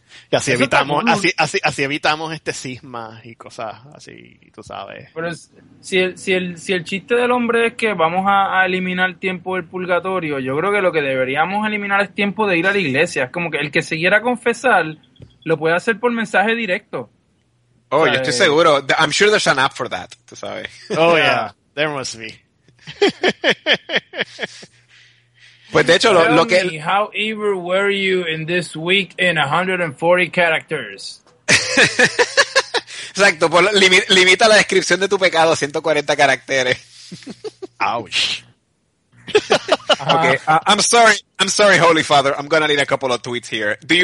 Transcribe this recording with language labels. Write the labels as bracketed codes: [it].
[es] Y así evitamos, así evitamos este cisma y cosas así, tú sabes. Pero si el chiste del hombre es que vamos a eliminar tiempo del purgatorio, yo creo que lo que deberíamos eliminar es tiempo de ir a la iglesia. Es como que el que se quiera confesar lo puede hacer por mensaje directo. Oh, ¿sabes? Yo estoy seguro. [en] I'm sure there's an app for that, [es] tú sabes. [en] Oh, yeah. There must be. [es] Pues de hecho, lo que... [en] Tell me, how evil were you in this week in 140 characters? [es] Exacto, pues limita la descripción de tu pecado a 140 caracteres. [en] Ouch. Okay, I'm sorry, Holy Father, I'm gonna need a couple of tweets here.